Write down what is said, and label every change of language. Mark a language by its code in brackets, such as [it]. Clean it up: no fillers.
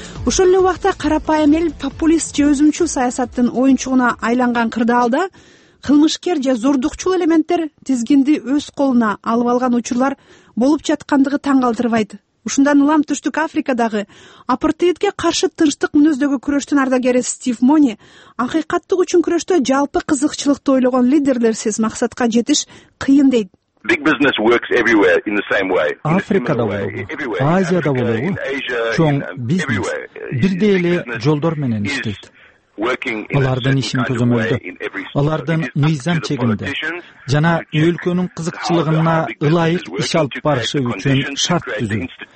[ky] Ошол эле убакта карапайым эл популист же өзүмчүл саясаттын оюнчугуна айланган кырдаалда кылмышкер же зордукчул элементтер тизгинди өз колуна алып алган учурлар болуп жаткандыгы таң калтырбайт. Ушундан улам Түштүк Африкадагы апартеидге каршы тынчтык мүнөздөгү күрөштүн ардагери Стив Мони акыйкаттык үчүн күрөштө жалпы кызыкчылыкты ойлогон лидерлерсиз максатка жетиш кыйын дейт. [en] Big business works everywhere in the same way. [ky] Африкада болобу, Азияда болобу, чоң бизнес бирдей эле жолдор менен иштейт. Алардын ишин көзөмөлдө, алардын мыйзам чегинде жана өлкөнүн кызыкчылыгына ылайык иш алып барышы үчүн шарт түзүү.